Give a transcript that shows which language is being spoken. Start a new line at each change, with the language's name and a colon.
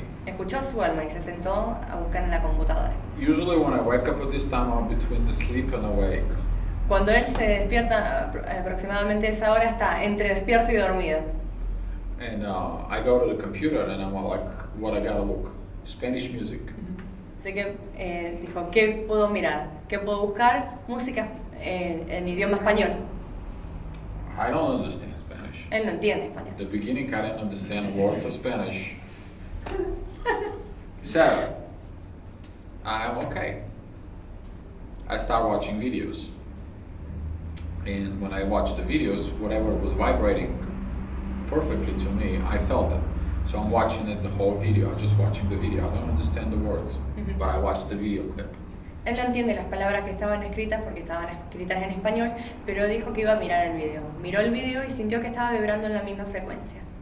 Spanish: Escuchó su alma y se sentó a buscar en la computadora.
English: Usually when I wake up at this time, I'm between the sleep and awake.
Spanish: Cuando él se despierta aproximadamente a esa hora, está entre despierto y dormido.
English: And I go to the computer and I'm like, what I gotta look? Spanish music.
Spanish: Así que dijo, ¿qué puedo mirar? ¿Qué puedo buscar? Música en idioma español.
English: I don't understand Spanish.
Spanish: Él no entiende español.
English: The beginning, I didn't understand words of Spanish. So, I'm okay. I start watching videos. And when I watched the videos, whatever was vibrating perfectly to me, I felt it. So I'm watching it the whole video, I'm just watching the video. I don't understand the words, mm-hmm. but I watched the video clip.
Spanish: Él no entiende las palabras que estaban escritas porque estaban escritas en español, pero dijo que iba a mirar el video. Miró el video y sintió que estaba vibrando en la misma frecuencia.